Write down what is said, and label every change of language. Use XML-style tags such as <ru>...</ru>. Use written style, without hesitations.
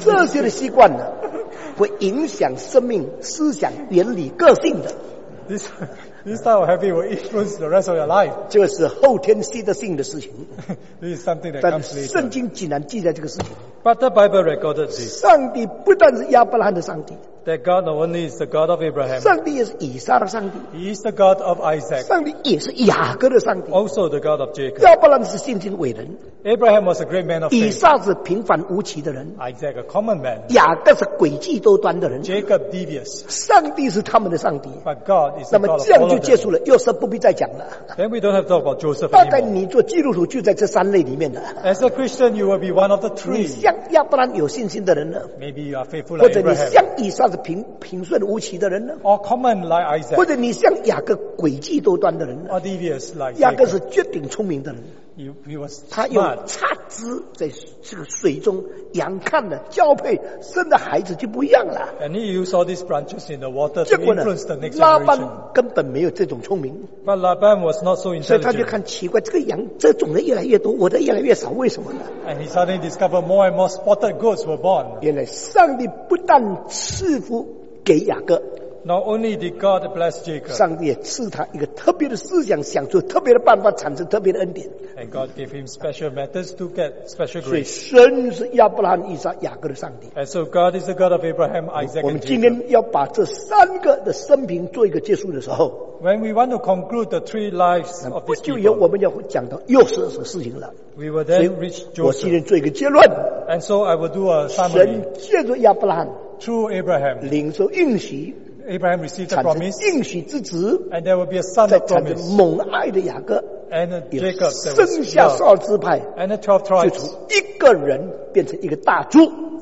<zh>这些的习惯呢, 会影响生命、思想、原理、个性的。</zh> <en>This type of habit will influence the rest of your life.</en> <zh>这是后天习得性的事情。</zh> <en>This is something that comes later.</en> <zh>圣经竟然记载这个事情。</zh> <en>But the Bible recorded this.</en> <zh>上帝不但是亚伯拉罕的上帝,</zh> <en>that God not only is the God of Abraham,</en> <zh>上帝也是以撒的上帝,</zh> <en>He is the God of Isaac,</en> <zh>上帝也是雅各的上帝,</zh> <en>also the God of Jacob.</en> <zh>亚伯兰是信心伟人,</zh> <en>Abraham was a great man of faith,</en> <zh>以撒是平凡无奇的人,</zh> <en>Isaac a common man,</en> <zh>雅各是诡计多端的人,</zh> <en>Jacob devious,</en> <zh>上帝是他们的上帝,</zh> <en>but God is the God of all of them.</en> <zh>那么这样就结束了,约瑟不必再讲了,</zh> <en>then we don't have to talk about Joseph anymore.</en> <zh>大概你做基督徒就在这三类里面了,</zh> <en>as a Christian you will be one of the three.</en> <zh>你像亚伯兰有信心的人呢,</zh> <en>maybe you are faithful like Abraham,</en> <zh>或者你像以撒的 平顺无奇的人呢,</zh> <en>or common like Isaac,</en> <zh>或者你像雅各诡计多端的人,</zh> <en>or devious like</en> <zh>雅各是绝顶聪明的人,</zh> <en>he was smart.</en> <zh>他用插枝在这个水中仰看的交配生的孩子就不一样了,</zh> <en>and he used all these branches in the water to influence the next generation.</en> <zh>拉班根本没有这种聪明,</zh> <en>but Laban was not so intelligent,</en> <zh>所以他就看奇怪, 这种的越来越多, 我的越来越少, 为什么呢?</zh> <en>And he suddenly discovered more and more spotted goats were born.</en> <zh>原来上帝不但赐福给雅各,</zh> <en>not only did God bless Jacob,</en> <zh>上帝也赐他一个特别的思想, 想出特别的办法, 产生特别的恩典,</zh> <en>and God gave him special methods to get special grace.</en> <zh>所以神是亚伯拉罕、以撒、雅各的上帝,</zh> <en>and so God is the God of Abraham, Isaac, and Jacob.</en> <zh>我们今天要把这三个的生平做一个结束的时候,</zh> <en>when we want to conclude the 3 lives of these people,</en> <zh>不久以后我们要讲到约瑟的事情了,</zh> <en>we will then reach Joseph.</en> <zh>我今天做一个结论,</zh> <en>and so I will do a summary.</en> <zh>神借着亚伯拉罕,</zh> <en>through Abraham,</en> <zh>领受应许,</zh> <en>Abraham received the promise,</en> <zh>应许之子,</zh> <en>and there will be a son of promise,</en> <zh>产生蒙爱的雅各,</zh> <en>and Jacob,</en> <zh>生下少支派,</zh> <en>and the 12 tribes,</en> <zh>就从一个人变成一个大族,</zh>